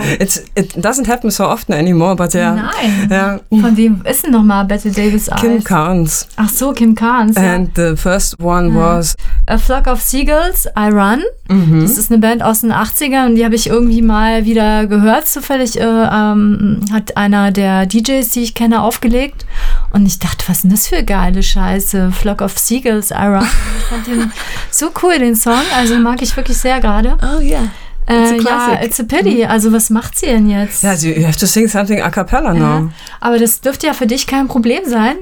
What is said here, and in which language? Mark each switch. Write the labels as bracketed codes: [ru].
[en] It doesn't happen so often anymore, but yeah. [de] Nein. Yeah. Von wem ist denn nochmal Betty Davis eyes? Kim Carnes. Ach so, Kim Carnes. [en] And [de] ja. [en] The first one was A Flock of Seagulls, I Run. Mhm. [de] Das ist eine Band aus den 80ern und die habe ich irgendwie mal wieder gehört, zufällig hat einer der DJs, die ich kenne, aufgelegt. Und ich dachte, was ist denn das für geile Scheiße? Flock of Seagulls, I Run. Ich fand den so cool, den Song. Also mag ich wirklich sehr gerade. [en] Oh yeah. It's a classic. [de] Ja, [en] it's a pity. [de] Also was macht sie denn jetzt? [en] Ja, yeah, you have to sing something a cappella now. [de] Aber das dürfte ja für dich kein Problem sein.